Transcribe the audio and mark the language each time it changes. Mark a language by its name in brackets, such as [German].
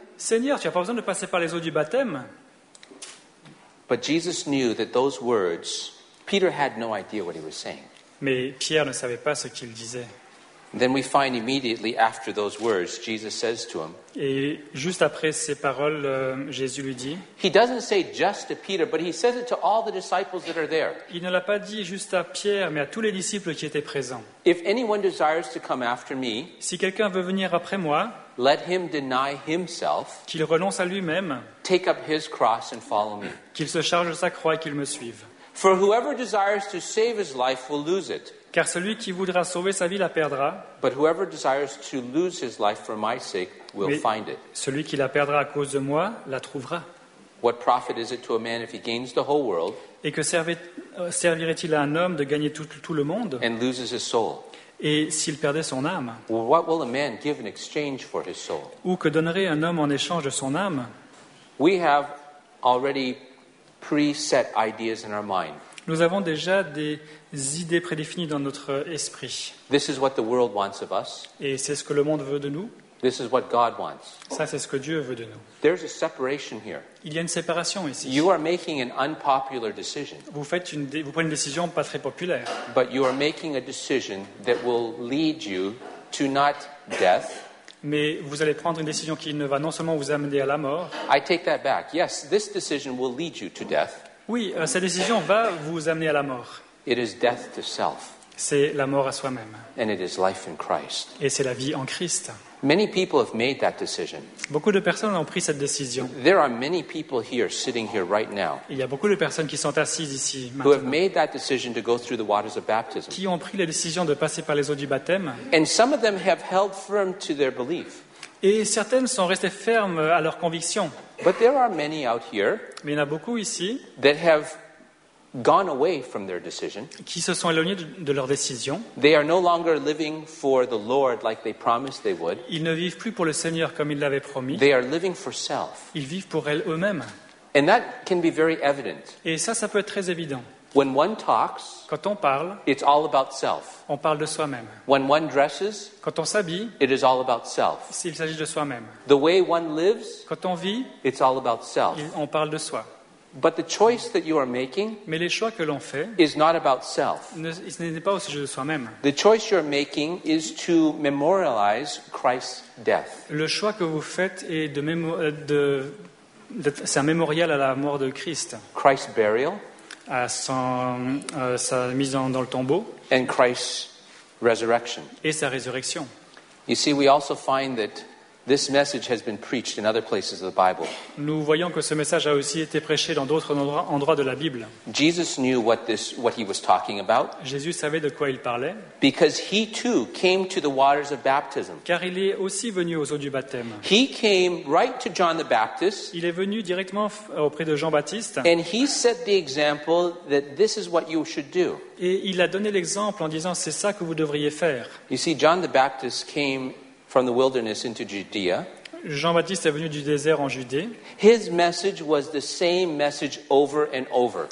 [French] Seigneur, tu n'as pas besoin de passer par les eaux du baptême. [English] But Jesus knew that those words, Peter had no idea what he was saying. [French] Mais Pierre ne savait pas ce qu'il disait. [English] Then we find immediately after those words, Jesus says to him. [French] Et juste après ces paroles, Jésus lui dit. [English] He doesn't say just to Peter, but he says it to all the disciples that are there. [French] Il ne l'a pas dit juste à Pierre, mais à tous les disciples qui étaient présents. [English] If anyone desires to come after me, [French] si quelqu'un veut venir après moi, [English] let him deny himself, [French] qu'il renonce à lui-même, [English] take up his cross and follow me, [French] qu'il se charge de sa croix et qu'il me suive. [English] For whoever desires to save his life will lose it. [French] Car celui qui voudra sauver sa vie la perdra. [English] But whoever desires to lose his life for my sake will find it. [French] Celui qui la perdra à cause de moi la trouvera. [English] What profit is it to a man if he gains the whole world? [French] Et que servirait-il à un homme de gagner tout le monde? [English] And loses his soul. [French] Et s'il perdait son âme? [English] What will a man give in exchange for his soul? [French] Ou que donnerait un homme en échange de son âme? [English] We have already preset ideas in our mind. [French] Nous avons déjà des idées prédéfinies dans notre esprit. [English] This is what the world wants of us. [French] Et c'est ce que le monde veut de nous. [English] This is what God wants. [French] Ça, c'est ce que Dieu veut de nous. [English] There's a separation here. [French] Il y a une séparation ici. [English] You are making an unpopular decision. [French] Vous prenez une décision pas très populaire. [English] But you are making a decision that will lead you to not death. [French] Mais vous allez prendre une décision qui ne va non seulement vous amener à la mort. [English] I take that back. Yes, this decision will lead you to death. [French] Oui, cette décision va vous amener à la mort. [English] It is death to self. [French] C'est la mort à soi-même. [English] And it is life in Christ. [French] Et c'est la vie en Christ. [English] Many people have made that decision. [French] Beaucoup de personnes ont pris cette décision. [English] There are many people here sitting here right now. [French] Il y a beaucoup de personnes qui sont assises ici maintenant. [English] Who have made that decision to go through the waters of baptism. [French] Qui ont pris la décision de passer par les eaux du baptême. [English] And some of them have held firm to their belief. [French] Et certaines sont restées fermes à leurs convictions. [English] But there are many out here. [French] Mais il y en a beaucoup ici. [English] That have gone away from their decision. [French] Qui se sont éloignés de leur décision. [English] They are no longer living for the Lord like they promised they would. [French] Ils ne vivent plus pour le Seigneur comme ils l'avaient promis. [English] They are living for self. [French] Ils vivent pour eux-mêmes. [English] And that can be very evident. [French] Et ça peut être très évident. [English] When one talks, [French] quand on parle, [English] it's all about self. [French] On parle de soi-même. [English] When one dresses, [French] quand on s'habille, [English] it is all about self. [French] S'il s'agit de soi-même. [English] The way one lives, [French] quand on vit, [English] it's all about self. [French] On parle de soi. [English] But the choice that you are making [French] mais les choix que l'on fait [English] is not about self. [French] Ce n'est pas au sujet de soi-même. [English] The choice you are making is to memorialize Christ's death. [French] Le choix que vous faites est c'est un mémorial à la mort de Christ. [English] Christ's burial, [French] à sa mise dans le tombeau, [English] and Christ's resurrection. [French] Et sa résurrection. [English] You see, we also find that this message has been preached in other places of the Bible. [French] Nous voyons que ce message a aussi été prêché dans d'autres endroits de la Bible. [English] Jesus knew what he was talking about. [French] Jésus savait de quoi il parlait. [English] Because he too came to the waters of baptism. [French] Car il est aussi venu aux eaux du baptême. [English] He came right to John the Baptist. [French] Il est venu directement auprès de Jean-Baptiste. [English] And he set the example that this is what you should do. [French] Et il a donné l'exemple en disant c'est ça que vous devriez faire. [English] You see, John the Baptist came from the wilderness into Judea. [French] Jean-Baptiste est venu du désert en Judée. [English] His message was the same message over and over.